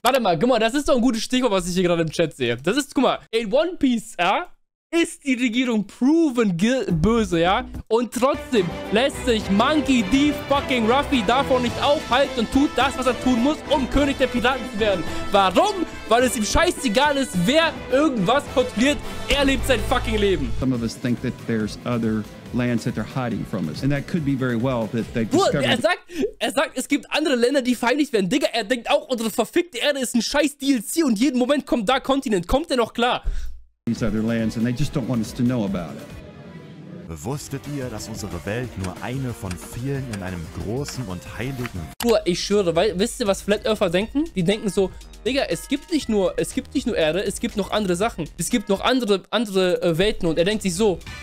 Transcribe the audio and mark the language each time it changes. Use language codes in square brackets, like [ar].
[de] Warte mal, guck mal, das ist doch ein gutes Stichwort, was ich hier gerade im Chat sehe. Das ist, guck mal, in One Piece, ja, ist die Regierung proven böse, ja? Und trotzdem lässt sich Monkey D. fucking Ruffy davon nicht aufhalten und tut das, was er tun muss, um König der Piraten zu werden. Warum? Weil es ihm scheißegal ist, wer irgendwas kontrolliert. Er lebt sein fucking Leben. [en] Some of us think that there's other lands that they're hiding from us. And that could be very well that they discovered... [de] Er sagt, es gibt andere Länder, die verheimlicht werden. Digga, er denkt auch, unsere verfickte Erde ist ein scheiß DLC und jeden Moment kommt da Kontinent. Kommt er noch klar? [en] These other lands and they just don't want us to know about it. [de] Wusstet ihr, dass unsere Welt nur eine von vielen in einem großen und heiligen... Bruder, ich schwöre, wisst ihr, was Flat Earther denken? Die denken so, Digga, es gibt nicht nur Erde, es gibt noch andere Sachen. Es gibt noch andere Welten und er denkt sich so.